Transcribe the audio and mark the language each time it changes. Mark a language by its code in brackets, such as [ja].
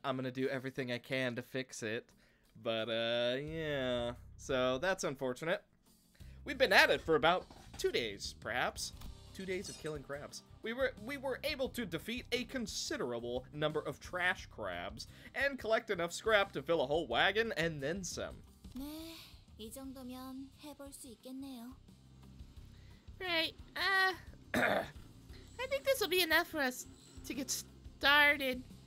[en] I'm going to do everything I can to fix it. But, yeah, so that's unfortunate. We've been at it for about 2 days, perhaps. 2 days of killing crabs. We were able to defeat a considerable number of trash crabs and collect enough scrap to fill a whole wagon and then some. [ko] 네, 이 정도면 해볼 수 있겠네요. [en] Right, I think this will be enough for us to get started.